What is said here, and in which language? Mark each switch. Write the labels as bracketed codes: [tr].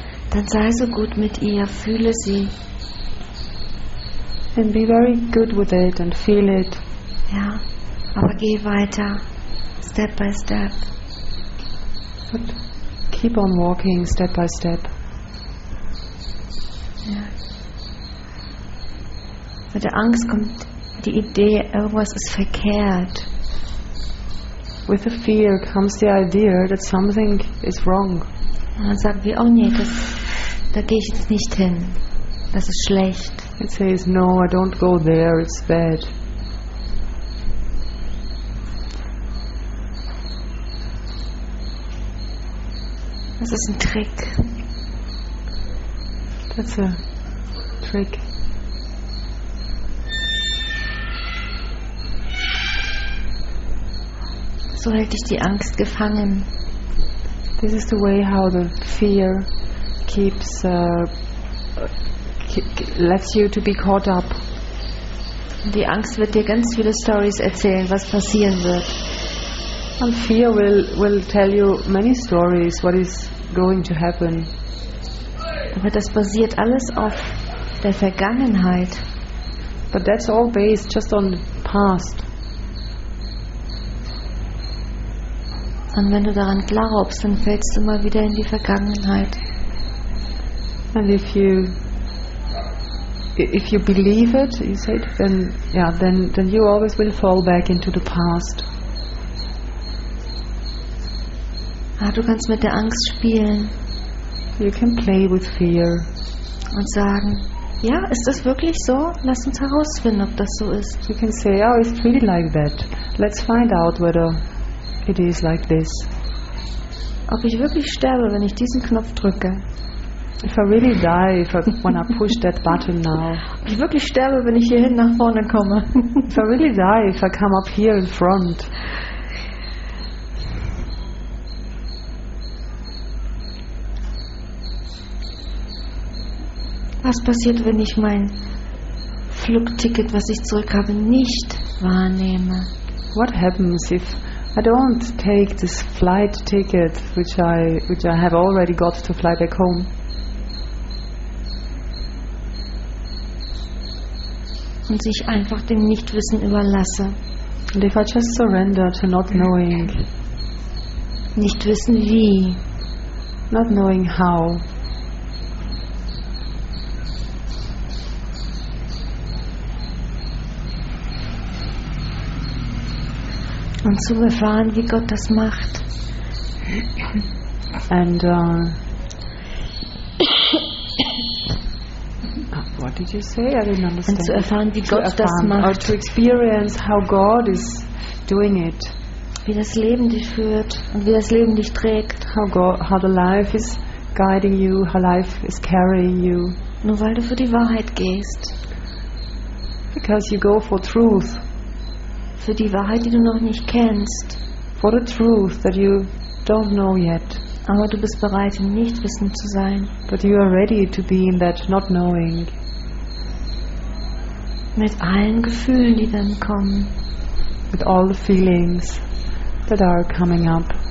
[de] dann sei so gut mit ihr, fühle sie. [en] And be very good with it and feel it. [de] Ja, aber geh weiter, [en] step by step. But keep on walking step by step. [de] Mit der Angst kommt die Idee, irgendwas ist verkehrt. [en] with the fear comes the idea that something is wrong. [de] Und dann sagen wir, oh nee, das, da gehe ich jetzt nicht hin. Das ist schlecht. [en] It says, no, I don't go there, it's bad. [de] Das ist ein Trick. [en] That's a trick. [de] So hält dich die Angst gefangen. [en] This is the way how the fear keeps lets you to be caught up. [de] Die Angst wird dir ganz viele Stories erzählen, was passieren wird. [en] And fear will tell you many stories what is going to happen. [de] Aber das basiert alles auf der Vergangenheit. [en] But that's all based just on the past. [de] Und wenn du daran glaubst, dann fällst du mal wieder in die Vergangenheit. [en] And if you believe it, you say it, then you always will fall back into the past. [de] Ah, du kannst mit der Angst spielen. [en] You can play with fear. [de] Und sagen, ja, ist das wirklich so? Lass uns herausfinden, ob das so ist. [en] You can say, oh, it's really like that. Let's find out whether it is like this. [de] Ob ich wirklich sterbe, wenn ich diesen Knopf drücke. [en] If I really die, if I wanna push that button now. [de] Ob ich wirklich sterbe, wenn ich hier hin nach vorne komme. [en] If I really die, if I come up here in front. [de] Was passiert, wenn ich mein Flugticket, was ich zurück habe, nicht wahrnehme? [en] What happens if I don't take this flight ticket which I have already got to fly back home? [de] Und sich einfach dem Nichtwissen überlasse. [en] And if I just surrender to not knowing. [de] Nicht wissen wie. [en] Not knowing how. [de] Und zu erfahren, wie Gott das macht. [en] And what did you say? I didn't understand. [de] Und zu erfahren, wie Gott das macht. [en] Or to experience how God is doing it. [de] Wie das Leben dich führt und wie das Leben dich trägt. [en] How the life is guiding you, how life is carrying you. [de] Nur weil du für die Wahrheit gehst. [en] Because you go for truth. [de] Für die Wahrheit, die du noch nicht kennst. [en] For the truth that you don't know yet. [de] Aber du bist bereit, im Nichtwissen zu sein. [en] But you are ready to be in that not knowing. [de] Mit allen Gefühlen, die dann kommen. [en] With all the feelings that are coming up.